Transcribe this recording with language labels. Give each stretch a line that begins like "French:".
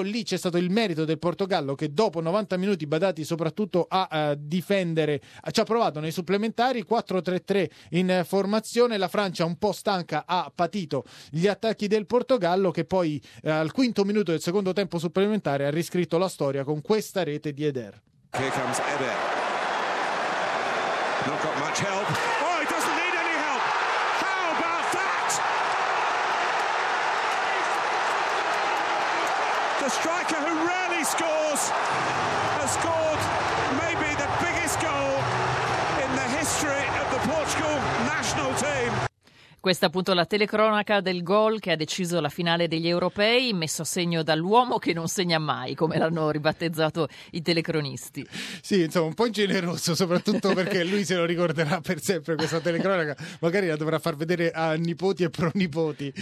Italian: Lì c'è stato il merito del Portogallo che dopo 90 minuti badati soprattutto a difendere ci ha provato nei supplementari. 4-3-3 in formazione, la Francia un po' stanca ha patito gli attacchi del Portogallo che poi al quinto minuto del secondo tempo supplementare ha riscritto la storia con questa rete di Eder.
English: Here comes Eder. Not got much help. Oh, he doesn't need any help. How about that? The striker who rarely scores has scored maybe the biggest goal in the history of the Portugal national team.
Italian: Questa appunto la telecronaca del gol che ha deciso la finale degli europei, messo a segno dall'uomo che non segna mai, come l'hanno ribattezzato i telecronisti. Sì, insomma, un po' ingeneroso, soprattutto perché lui se lo ricorderà per sempre questa telecronaca. Magari la dovrà far vedere a nipoti e pronipoti.